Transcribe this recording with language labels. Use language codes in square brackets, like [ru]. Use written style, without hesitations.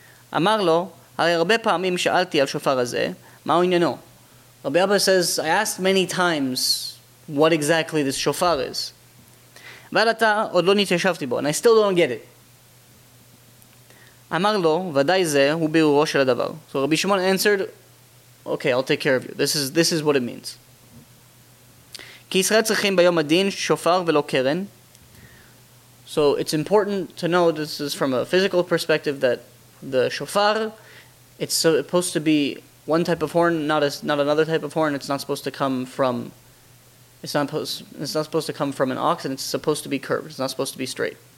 [he] Amar lo, הרי הרבה פעמים שאלתי על שופר הזה, מה הוא עניינו? [en] Rabbi Abba says, I asked many times what exactly this shofar is. [he] ועד אתה עוד לא נתיישבתי בו, [en] and I still don't get it. [he] אמר לו, ודאי זה הוא בירורו של הדבר. [en] So Rabbi Shimon answered, okay, I'll take care of you. This is what it means. [he] כי ישראל צריכים ביום הדין שופר ולא קרן. [en] So it's important to know, this is from a physical perspective, that the shofar, it's supposed to be one type of horn, not another type of horn. It's not supposed to come from an ox, and it's supposed to be curved. It's not supposed to be straight.